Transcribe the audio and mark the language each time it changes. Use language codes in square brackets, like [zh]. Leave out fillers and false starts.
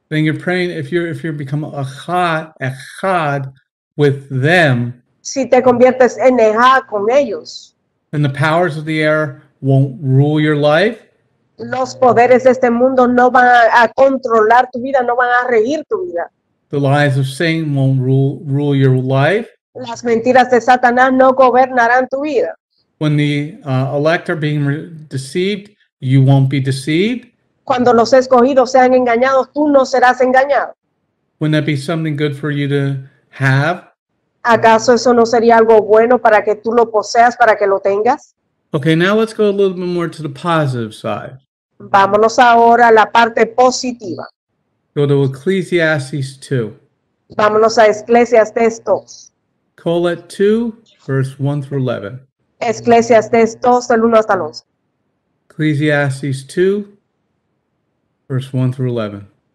[en] Then you're praying, if you become a chad with them, [es] si te conviertes en ejá con ellos, [en] then the powers of the air won't rule your life. [es] Los poderes de este mundo no van a controlar tu vida, no van a regir tu vida. [en] The lies of Satan won't rule your life. [es] Las mentiras de Satanás no gobernarán tu vida. [en] When the elect are being deceived, you won't be deceived. [es] Cuando los escogidos sean engañados, tú no serás engañado. [en] Wouldn't that be something good for you to have? [es] ¿Acaso eso no sería algo bueno para que tú lo poseas, para que lo tengas? [en] Okay, now let's go a little bit more to the positive side. [es] Vámonos ahora a la parte positiva. [en] Go to Ecclesiastes 2. [es] Vámonos a Ecclesiastes 2. [en] Kohelet 2, verse 1 through 11. [es] Ecclesiastes 2, del 1 hasta el 11. [en] Ecclesiastes 2. Verse 1 through 11.